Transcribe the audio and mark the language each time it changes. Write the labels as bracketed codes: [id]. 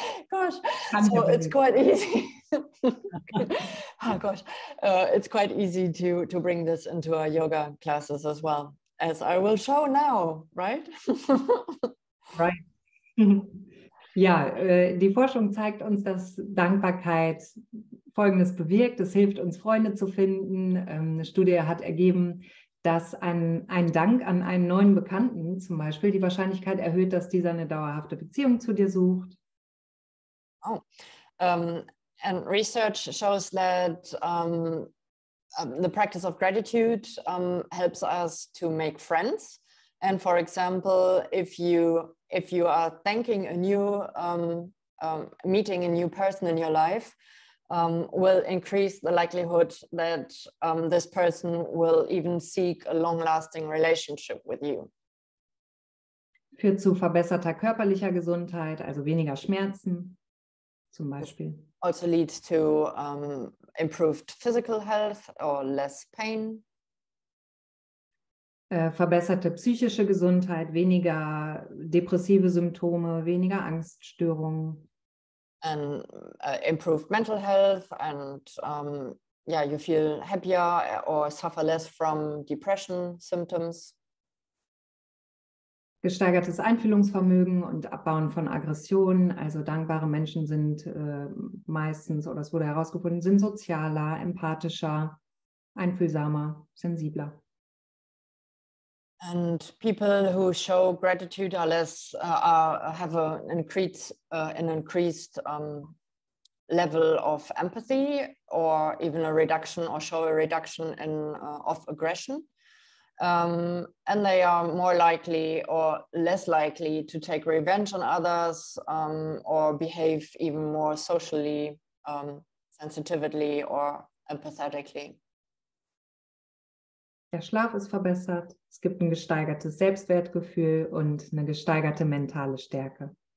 [en] gosh, so it's quite easy. Oh gosh, it's quite easy to bring this into our yoga classes as well, as I will show now, right? Right. [de] Ja, die Forschung zeigt uns, dass Dankbarkeit Folgendes bewirkt. Es hilft uns, Freunde zu finden. Eine Studie hat ergeben, dass ein Dank an einen neuen Bekannten zum Beispiel die Wahrscheinlichkeit erhöht, dass dieser eine dauerhafte Beziehung zu dir sucht. [en] Oh, and research shows that the practice of gratitude helps us to make friends. And for example, if you are thanking a new meeting a new person in your life, will increase the likelihood that this person will even seek a long-lasting relationship with you. [de] Führt zu verbesserter körperlicher Gesundheit, also weniger Schmerzen, zum Beispiel. [en] Also leads to improved physical health or less pain. [de] Verbesserte psychische Gesundheit, weniger depressive Symptome, weniger Angststörungen. [en] And improved mental health, and yeah, you feel happier or suffer less from depression symptoms. [de] Gesteigertes Einfühlungsvermögen und Abbauen von Aggressionen. Also dankbare Menschen sind meistens, oder es wurde herausgefunden, sind sozialer, empathischer, einfühlsamer, sensibler. [en] And people who show gratitude are less have an increased level of empathy, or even a reduction, or show a reduction in of aggression, and they are more likely or less likely to take revenge on others, or behave even more socially sensitively or empathetically. [de] Der Schlaf ist verbessert, es gibt ein gesteigertes Selbstwertgefühl und eine gesteigerte mentale Stärke.